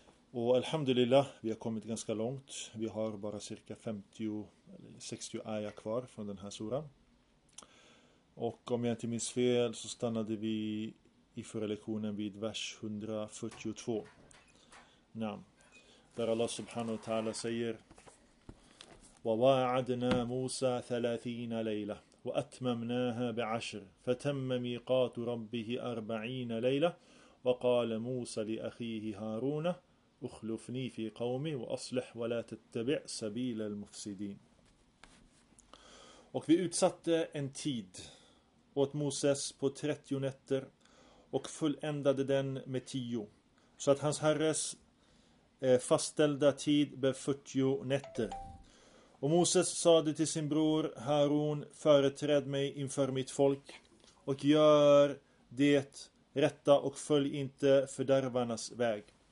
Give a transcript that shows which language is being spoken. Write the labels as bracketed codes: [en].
[sv] Och alhamdulillah, vi har kommit ganska långt. Vi har bara cirka 50 eller 60 aya kvar från den här suran. Och om jag inte minns fel så stannade vi i förra lektionen vid vers 142. [ar] نعم در الله سبحانه وتعالى سير وواعدنا موسى 30 ليلة وأتممناها بعشر فتم ميقات ربه 40 ليلة وقال موسى لأخيه هارون أخلفني في قومي وأصلح ولا تتبع سبيل المفسدين. [sv] Och vi utsatte en tid åt Moses på 30 nätter och fulländade den med 10 så att hans herres fastställda tid blev 40 nätter. Och Moses sade till sin bror Harun, företräd mig inför mitt folk och gör det rätta och följ inte fördärvarnas väg.